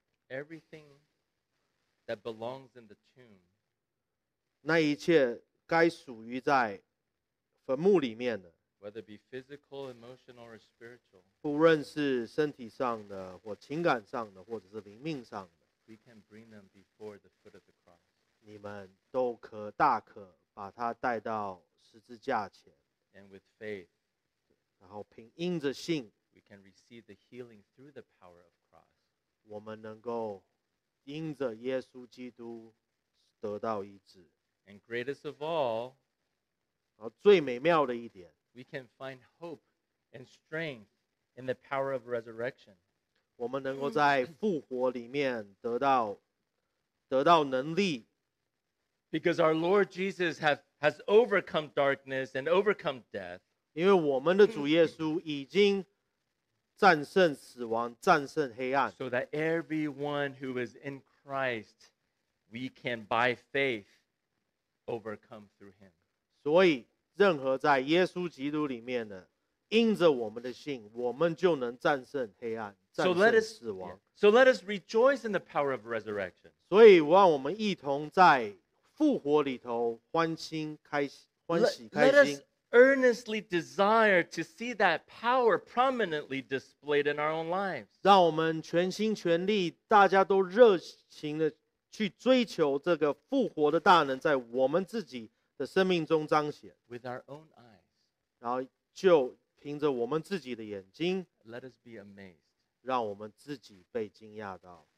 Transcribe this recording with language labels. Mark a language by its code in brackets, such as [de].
[en] Everything that belongs in the tomb, [zh] 那一切该属于在坟墓里面的 [en] Whether it be physical, emotional, or spiritual, [zh] 不论是身体上的或情感上的或者是灵命上的 [en] we can bring them before the foot of the cross. [zh] 你们都可大可把它带到十字架前 [en] And with faith, [zh] 然后因着信 [en] we can receive the healing through the power of the cross. [zh] 我们能够因着耶稣基督得到医治 [en] And greatest of all, [zh] 然后最美妙的一点 [en] We can find hope and strength in the power of resurrection. [zh] 我们能够在复活里面得到能力 [en] Because our Lord Jesus has overcome darkness and overcome death. [zh] 因为我们的主耶稣已经战胜死亡，战胜黑暗。 [en] So that everyone who is in Christ, we can by faith overcome through him. [zh] 所以任何在耶稣基督里面的，因着我们的信，我们就能战胜黑暗，战胜死亡。 [en] So let us rejoice in the power of resurrection. [zh] 所以让我们一同在复活里头欢欣开心，欢喜开心。 [en] Earnestly desire to see that power prominently displayed in our own lives. [zh] 让我们全心全力，大家都热情的去追求这个复活的大能在我们自己的生命中彰显。 [en] With our own eyes. [zh] 然后就凭着我们自己的眼睛。 [en] Let us be amazed. [zh] 让我们自己被惊讶到。